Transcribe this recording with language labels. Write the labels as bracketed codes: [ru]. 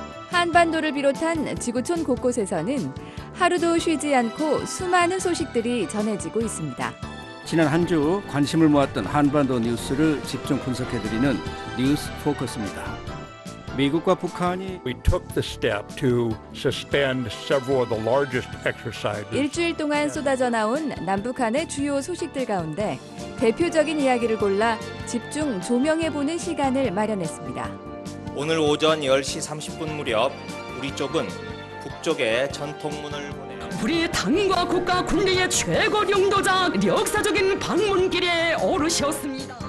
[ko] 한반도를 비롯한 지구촌 곳곳에서는 하루도 쉬지 않고 수많은 소식들이 전해지고 있습니다. 지난 한 주 관심을 모았던 한반도 뉴스를 집중 분석해드리는 뉴스 포커스입니다. 미국과 북한이 [en] We took the step to suspend several of the largest exercises. [ko] 일주일 동안 쏟아져 나온 남북한의 주요 소식들 가운데 대표적인 이야기를 골라 집중 조명해보는 시간을 마련했습니다. 오늘 오전 10시 30분 무렵 우리 쪽은 북쪽에 전통문을 보내 우리 당과 국가 국민의 최고 영도자 역사적인 방문길에 오르셨습니다.